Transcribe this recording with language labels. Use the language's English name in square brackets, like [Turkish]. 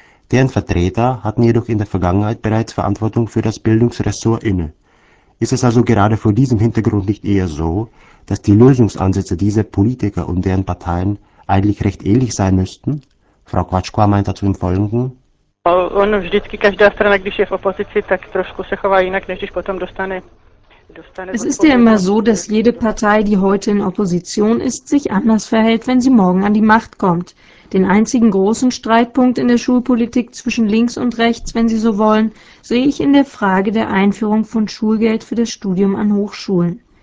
[German] Deren Vertreter hatten jedoch in der Vergangenheit bereits Verantwortung für das Bildungsressort inne. Ist es also gerade vor diesem Hintergrund nicht eher so, dass die Lösungsansätze dieser Politiker und deren Parteien eigentlich recht ähnlich sein müssten? Frau Kvačko meint dazu im Folgenden: [Czech] On vždycky každá strana, když je v opozici, tak trošku se chová jinak, než když potom dostane. [German] Es ist ja immer so, dass jede Partei, die heute in Opposition ist, sich anders verhält, wenn sie morgen an die Macht kommt. Den einzigen großen Streitpunkt in der Schulpolitik zwischen links und rechts, wenn Sie so wollen, sehe ich in der Frage der Einführung von Schulgeld für das Studium an Hochschulen.